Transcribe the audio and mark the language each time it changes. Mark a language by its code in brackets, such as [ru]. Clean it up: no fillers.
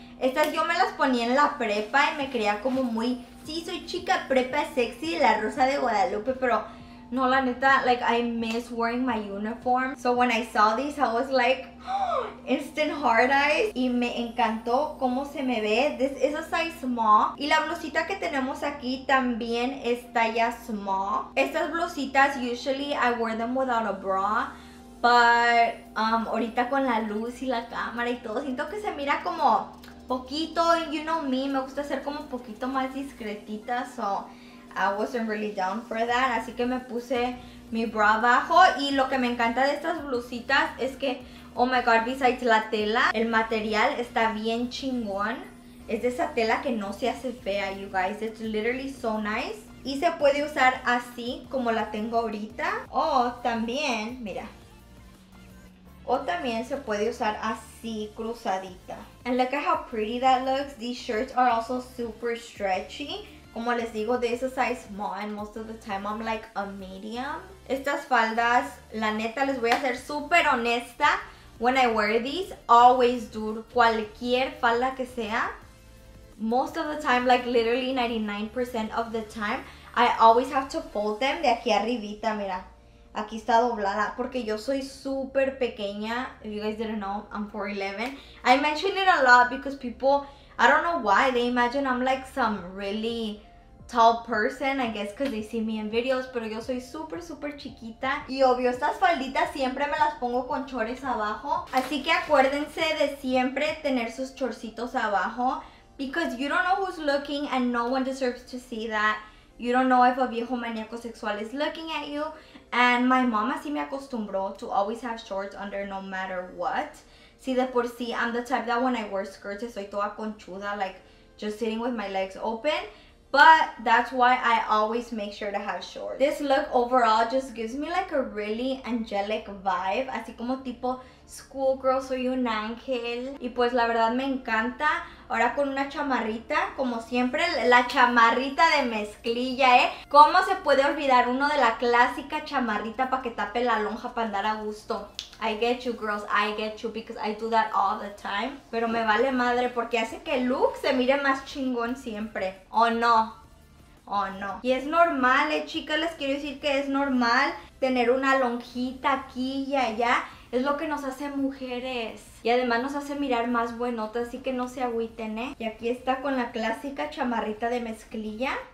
[es] Estas yo me las ponía en la prepa y me creía como muy, sí, soy chica prepa sexy, la Rosa de Guadalupe. Pero no, la neta, [en] like, I miss wearing my uniform. So when I saw these, I was like, oh, instant hard eyes. [es] Y me encantó cómo se me ve. [en] This is a size small. [es] Y la blusita que tenemos aquí también es talla small. Estas blusitas, [en] usually I wear them without a bra. [es] But ahorita con la luz y la cámara y todo, siento que se mira como poquito. [en] You know me, [es] me gusta ser como un poquito más discretita, [en] so I wasn't really down for that, [es] así que me puse mi bra abajo. Y lo que me encanta de estas blusitas es que, [en] oh my god, besides [es] la tela, el material está bien chingón. Es de esa tela que no se hace fea, [en] you guys. It's literally so nice. [es] Y se puede usar así como la tengo ahorita. O también, mira. O también se puede usar así, cruzadita. [en] And look at how pretty that looks. These shirts are also super stretchy. [es] Como les digo, [en] this is a size small and most of the time I'm like a medium. [es] Estas faldas, la neta, les voy a ser súper honesta. [en] When I wear these, always dur, [es] cualquier falda que sea. [en] Most of the time, like literally 99% of the time, I always have to fold them [es] de aquí arribita, mira. Aquí está doblada porque yo soy súper pequeña. [en] If you guys didn't know, I'm 4'11". I mention it a lot because people, I don't know why, they imagine I'm like some really tall person, I guess because they see me in videos, [es] pero yo soy súper, súper chiquita. Y obvio, estas falditas siempre me las pongo con chores abajo. Así que acuérdense de siempre tener sus chorcitos abajo. [en] Because you don't know who's looking and no one deserves to see that. You don't know if a [es] viejo maníaco sexual [en] is looking at you. And my mom [es] así me acostumbró [en] to always have shorts under no matter what. [es] Si de por sí, [en] I'm the type that when I wear skirts, [es] estoy toda conchuda, [en] like just sitting with my legs open. But that's why I always make sure to have shorts. This look overall just gives me like a really angelic vibe. [es] Así como tipo schoolgirl, soy un ángel. Y pues la verdad me encanta. Ahora con una chamarrita, como siempre, la chamarrita de mezclilla, ¿eh? ¿Cómo se puede olvidar uno de la clásica chamarrita para que tape la lonja para andar a gusto? [en] I get you, girls, I get you, because I do that all the time. [es] Pero me vale madre porque hace que el look se mire más chingón siempre. ¿O no? ¿O no? Y es normal, ¿eh, chicas? Les quiero decir que es normal tener una lonjita aquí y allá. Es lo que nos hace mujeres. Y además nos hace mirar más buenotas, así que no se agüiten, ¿eh? Y aquí está con la clásica chamarrita de mezclilla.